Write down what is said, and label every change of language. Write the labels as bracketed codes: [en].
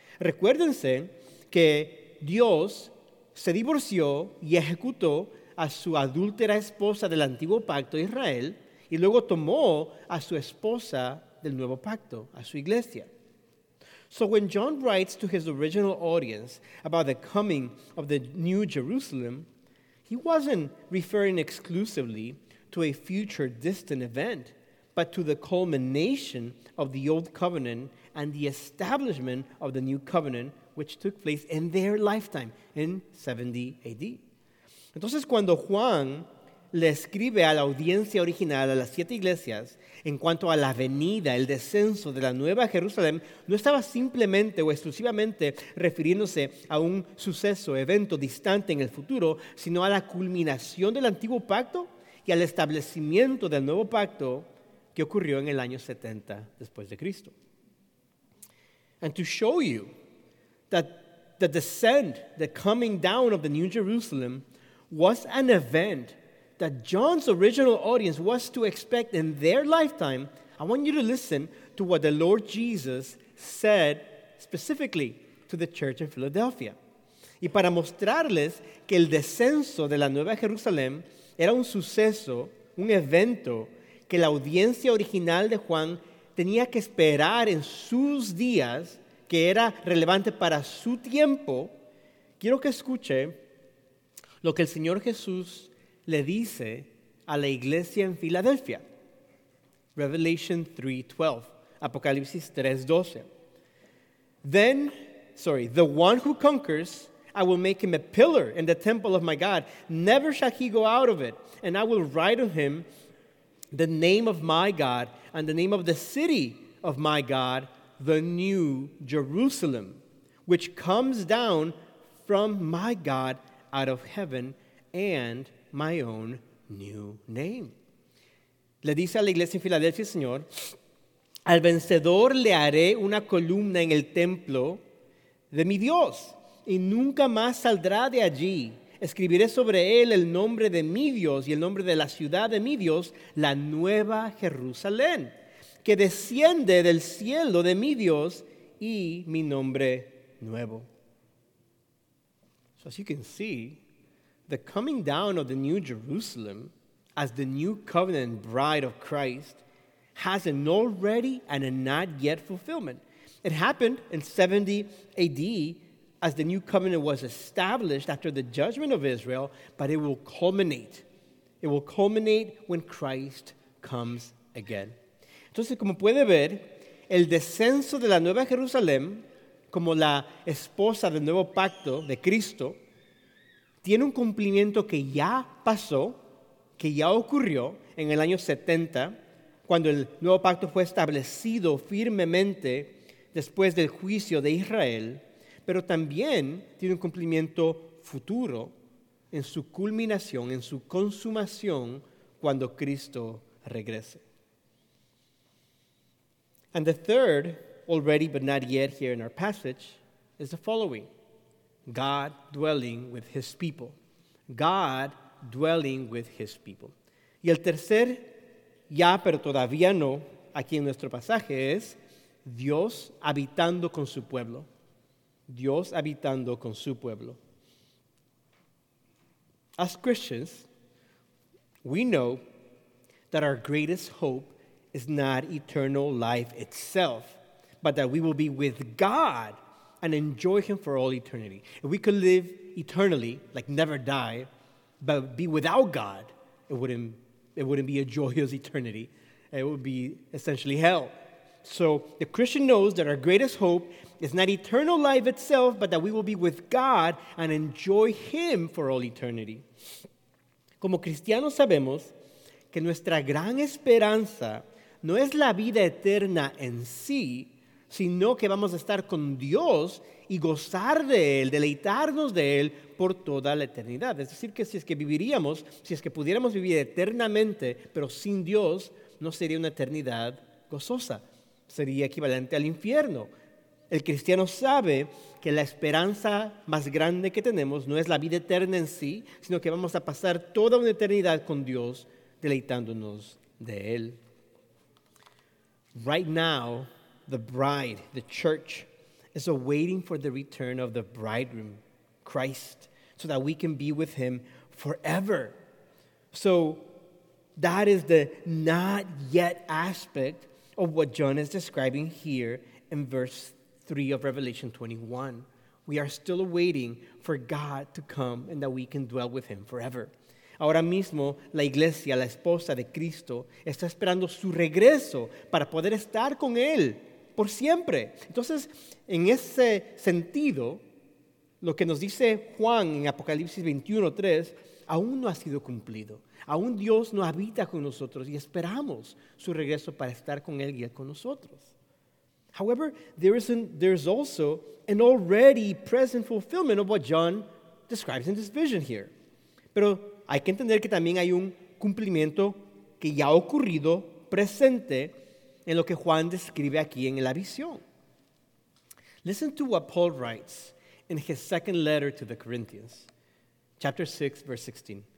[es] Recuérdense que Dios se divorció y ejecutó a su adúltera esposa del antiguo pacto, Israel, y luego tomó a su esposa del nuevo pacto, a su iglesia. [en] So when John writes to his original audience about the coming of the New Jerusalem, he wasn't referring exclusively to a future distant event, but to the culmination of the old covenant and the establishment of the new covenant, which took place in their lifetime, in 70 AD. [es] Entonces, cuando Juan le escribe a la audiencia original, a las siete iglesias, en cuanto a la venida, el descenso de la Nueva Jerusalén, no estaba simplemente o exclusivamente refiriéndose a un suceso, evento distante en el futuro, sino a la culminación del antiguo pacto y al establecimiento del nuevo pacto que ocurrió en el año 70 después de Cristo. [en] And to show you that the descent, the coming down of the New Jerusalem was an event that John's original audience was to expect in their lifetime, I want you to listen to what the Lord Jesus said specifically to the church in Philadelphia. [es] Y para mostrarles que el descenso de la Nueva Jerusalén era un suceso, un evento, que la audiencia original de Juan tenía que esperar en sus días, que era relevante para su tiempo, quiero que escuche lo que el Señor Jesús le dice a la iglesia en Filadelfia. [en] Revelation 3:12, [es] Apocalipsis 3:12. [en] The one who conquers, I will make him a pillar in the temple of my God. Never shall he go out of it. And I will write on him the name of my God and the name of the city of my God, the new Jerusalem, which comes down from my God out of heaven, and my own new name. [es] Le dice a la iglesia en Filadelfia, Señor, al vencedor le haré una columna en el templo de mi Dios, y nunca más saldrá de allí. Escribiré sobre él el nombre de mi Dios y el nombre de la ciudad de mi Dios, la nueva Jerusalén, que desciende del cielo de mi Dios, y mi nombre nuevo. [en] So as you can see, the coming down of the New Jerusalem as the new covenant bride of Christ has an already and a not yet fulfillment. It happened in 70 AD as the new covenant was established after the judgment of Israel, but it will culminate. It will culminate when Christ comes again. [es] Entonces, como puede ver, el descenso de la Nueva Jerusalén como la esposa del nuevo pacto de Cristo, tiene un cumplimiento que ya pasó, que ya ocurrió en el año 70, cuando el nuevo pacto fue establecido firmemente después del juicio de Israel, pero también tiene un cumplimiento futuro en su culminación, en su consumación, cuando Cristo regrese. [en] And the third, already but not yet here in our passage, is the following: God dwelling with his people. God dwelling with his people. [es] Y el tercer, ya pero todavía no, aquí en nuestro pasaje es Dios habitando con su pueblo. Dios habitando con su pueblo. [en] As Christians, we know that our greatest hope is not eternal life itself, but that we will be with God and enjoy him for all eternity. If we could live eternally, like never die, but be without God, it wouldn't be a joyous eternity. It would be essentially hell. So the Christian knows that our greatest hope is not eternal life itself, but that we will be with God and enjoy him for all eternity. [es] Como cristianos sabemos que nuestra gran esperanza no es la vida eterna en sí, sino que vamos a estar con Dios y gozar de Él, deleitarnos de Él por toda la eternidad. Es decir, que si es que viviríamos, si es que pudiéramos vivir eternamente, pero sin Dios, no sería una eternidad gozosa. Sería equivalente al infierno. El cristiano sabe que la esperanza más grande que tenemos no es la vida eterna en sí, sino que vamos a pasar toda una eternidad con Dios, deleitándonos de Él. [en] Right now, the bride, the church, is awaiting for the return of the bridegroom, Christ, so that we can be with him forever. So that is the not yet aspect of what John is describing here in verse 3 of Revelation 21. We are still waiting for God to come and that we can dwell with him forever. [es] Ahora mismo, la iglesia, la esposa de Cristo, está esperando su regreso para poder estar con él por siempre. Entonces, en ese sentido, lo que nos dice Juan en Apocalipsis 21:3, aún no ha sido cumplido. Aún Dios no habita con nosotros y esperamos su regreso para estar con él y él con nosotros. [en] However, there is also an already present fulfillment of what John describes in this vision here. [es] Pero hay que entender que también hay un cumplimiento que ya ha ocurrido presente en lo que Juan describe aquí en la visión. [en] Listen to what Paul writes in his second letter to the Corinthians, chapter 6, verse 16.